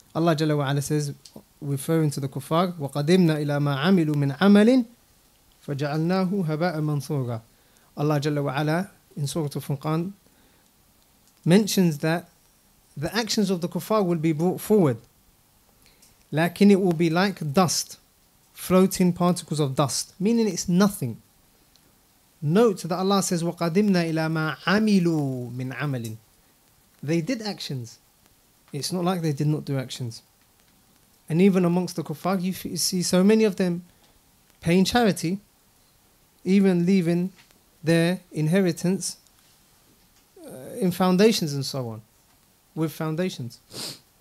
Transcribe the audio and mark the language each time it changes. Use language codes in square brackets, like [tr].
[en] Allah Jalla wa Ala says, referring to the kuffar, [ar] وَقَدِمْنَا إِلَى مَا عَمِلُوا مِنْ عَمَلٍ فَجَعَلْنَاهُ هَبَاءً مَنْثُورًا. [en] Allah Jalla wa Ala in Surah Al-Furqan mentions that the actions of the kuffar will be brought forward. Lakin, it will be like dust, floating particles of dust, meaning it's nothing. Note that Allah says, [ar] وَقَدِمْنَا إِلَى مَا عَمِلُوا مِنْ عَمَلٍ. [en] They did actions. It's not like they did not do actions. And even amongst the kuffar, you see so many of them paying charity, even leaving their inheritance in foundations and so on, with foundations.